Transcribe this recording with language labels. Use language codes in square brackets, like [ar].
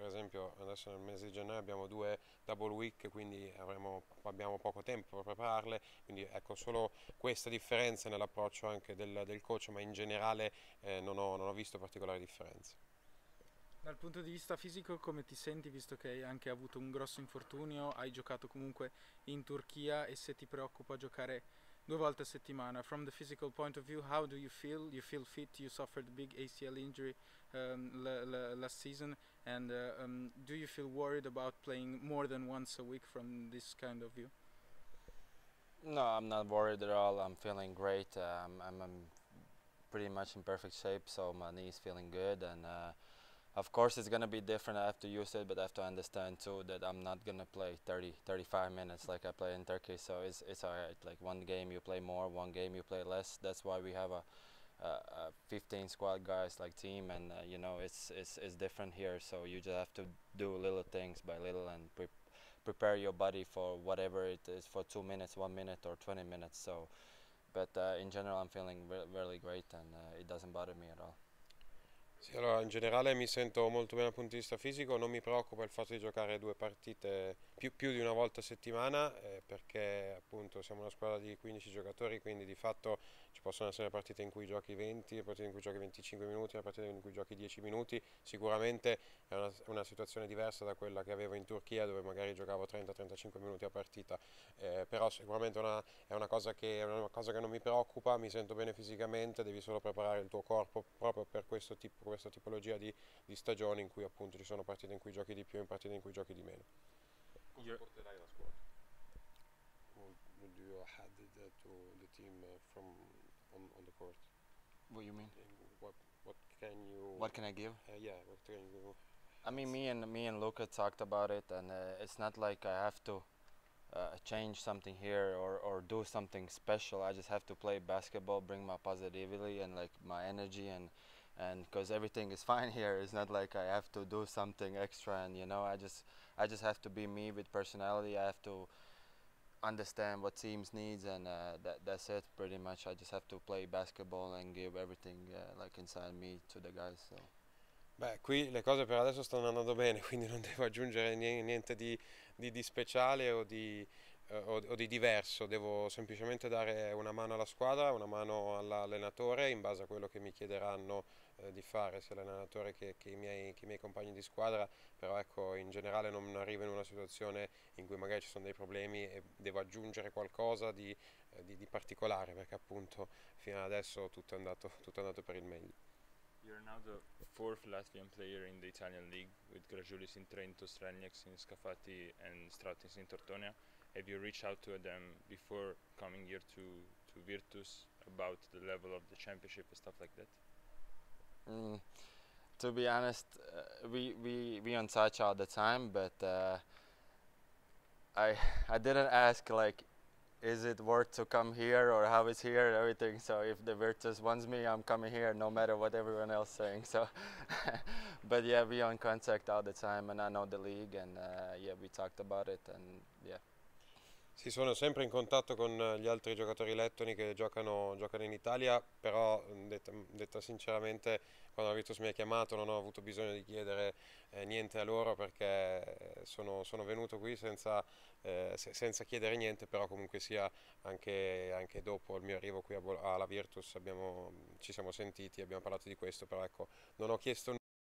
[it] Per esempio adesso nel mese di gennaio abbiamo due double week, quindi abbiamo poco tempo per prepararle, quindi ecco solo questa differenza nell'approccio anche del coach, ma in generale non ho visto particolari differenze. Dal punto di vista fisico come ti senti, visto che hai anche avuto un grosso infortunio, hai giocato comunque in Turchia, e se ti preoccupa giocare due volte a settimana? [en] From the physical point of view, how do you feel? You feel fit, you suffered a big ACL injury last season, and do you feel worried about playing more than once a week from this kind of view? No, I'm not worried at all, I'm feeling great, I'm pretty much in perfect shape, so my knee is feeling good, and of course it's gonna be different, I have to use it, but I have to understand too that I'm not gonna play 30-35 minutes like I play in Turkey, so it's all right. Like one game you play more, one game you play less, that's why we have a 15 squad guys like team, and you know, it's different here, so you just have to do little things by little and prepare your body for whatever it is, for 2 minutes, 1 minute or 20 minutes, so. But in general I'm feeling really great and it doesn't bother me at all. [it] Sì, allora in generale mi sento molto bene dal punto di vista fisico, non mi preoccupa il fatto di giocare due partite più di una volta a settimana, perché appunto siamo una squadra di 15 giocatori, quindi di fatto ci possono essere partite in cui giochi 20, partite in cui giochi 25 minuti, partite in cui giochi 10 minuti, sicuramente è una situazione diversa da quella che avevo in Turchia, dove magari giocavo 30-35 minuti a partita, però sicuramente è una cosa che non mi preoccupa, mi sento bene fisicamente, devi solo preparare il tuo corpo proprio per questa tipologia di stagioni in cui appunto ci sono partite in cui giochi di più e partite in cui giochi di meno. Come porterai la squadra? [en] Would you add that to the team from on the court? What you mean? What can you? What can I give? Yeah, what can you? I mean, me and Luca talked about it, and it's not like I have to change something here or do something special. I just have to play basketball, bring my positivity and like my energy, and because everything is fine here, it's not like I have to do something extra, and you know, I just have to be me with personality, I have to understand what teams needs, and that's it pretty much. I just have to play basketball and give everything like inside me to the guys, so. [it] Beh, qui le cose per adesso stanno andando bene, quindi non devo aggiungere niente di speciale o di diverso, devo semplicemente dare una mano alla squadra, una mano all'allenatore in base a quello che mi chiederanno di fare, sia l'allenatore che i miei compagni di squadra, però ecco, in generale non arrivo in una situazione in cui magari ci sono dei problemi e devo aggiungere qualcosa di particolare, perché appunto fino ad adesso tutto è andato per il meglio. [en] You're now the fourth Latvian player in the Italian League with Grajulis in Trento, Strelnieks in Scafati and Stratins in Tortonia. Have you reached out to them before coming here to Virtus about the level of the championship and stuff like that? To be honest, we on touch all the time, but I didn't ask like, is it worth to come here or how is here and everything. So if the Virtus wants me, I'm coming here no matter what everyone else saying. So, but yeah, we on contact all the time, and I know the league, and yeah, we talked about it, and yeah. [it] Sì, sono sempre in contatto con gli altri giocatori lettoni che giocano in Italia, però detto sinceramente, quando la Virtus mi ha chiamato non ho avuto bisogno di chiedere niente a loro perché sono venuto qui senza chiedere niente, però comunque sia anche dopo il mio arrivo qui alla Virtus ci siamo sentiti, abbiamo parlato di questo, però ecco, non ho chiesto nulla.